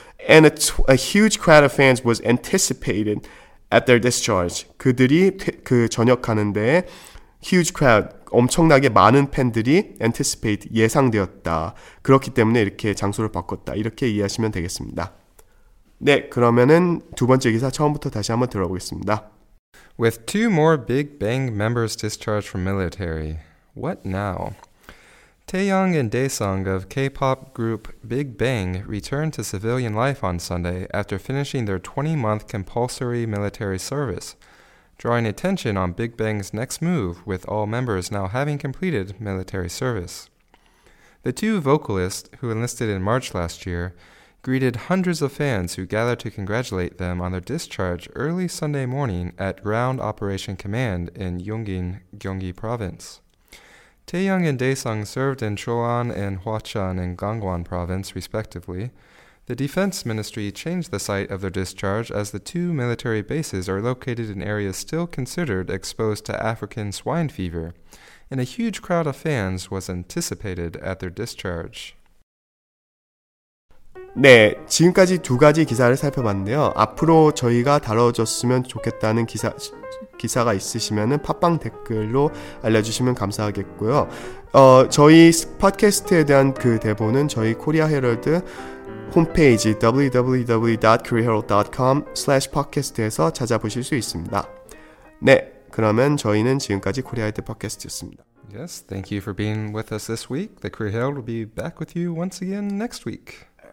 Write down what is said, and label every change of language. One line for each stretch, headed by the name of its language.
English: And a huge crowd of fans was anticipated at their discharge,
Korean: 그들이 그 전역하는데 huge crowd, 엄청나게 많은 팬들이 anticipate, 예상되었다. 그렇기 때문에 이렇게 장소를 바꿨다. 이렇게 이해하시면 되겠습니다. 네, 그러면은 두 번째 기사 처음부터 다시 한번 들어보겠습니다.
English: With two more Big Bang members discharged from military, what now? Taeyong and Daesung of K-pop group Big Bang returned to civilian life on Sunday after finishing their 20-month compulsory military service, drawing attention on Big Bang's next move with all members now having completed military service. The two vocalists, who enlisted in March last year, greeted hundreds of fans who gathered to congratulate them on their discharge early Sunday morning at Ground Operation Command in Yongin, Gyeonggi Province. Taeyong and Daesung served in Cholon and Hwacheon in Gangwon Province, respectively. The Defense Ministry changed the site of their discharge as the two military bases are located in areas still considered exposed to African swine fever, and a huge crowd of fans was anticipated at their discharge.
Korean: 네, 지금까지 두 가지 기사를 살펴봤는데요. 앞으로 저희가 다뤄줬으면 좋겠다는 기사가 있으시면은 팟빵 댓글로 알려주시면 감사하겠고요. 저희 팟캐스트에 대한 그 대본은 저희 코리아 헤럴드 홈페이지 www.koreaherald.com/podcast에서 찾아보실 수 있습니다. 네, 그러면 저희는 지금까지 코리아 헤럴드 팟캐스트였습니다.
English: Yes, thank you for being with us this week. The Korea Herald will be back with you once again next week.